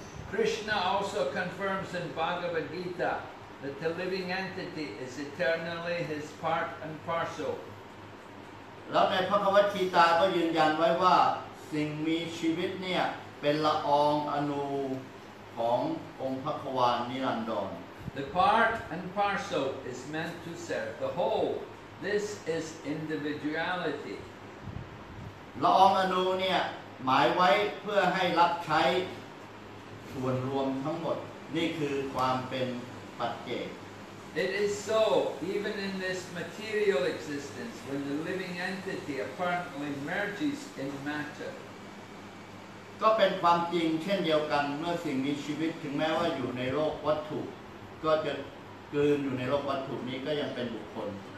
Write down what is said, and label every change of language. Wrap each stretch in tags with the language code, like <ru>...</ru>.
<en>Krishna also confirms in Bhagavad Gita. That the living entity is eternally his part and parcel.</en> <th>แล้วในพระคัมภีร์กีตาก็ยืนยันไว้ว่าสิ่งมีชีวิตเนี่ยเป็นละอองอนุขององค์พระควานนิรันดร</th> <en>The part and parcel is meant to serve the whole. This is individuality.</en> <th>ละอองอนุเนี่ยหมายไว้เพื่อให้รับใช้ส่วนรวมทั้งหมดนี่คือความเป็นปัจเจก</th> <en>It is so even in this material existence when the living entity apparently merges in matter</en> <th>ก็เป็นความจริงเช่นเดียวกันเมื่อสิ่งมีชีวิตถึงแม้ว่าอยู่ในโลกวัตถุก็จะกลืนอยู่ในโลกวัตถุนี้ก็ยังเป็นบุคคล</th>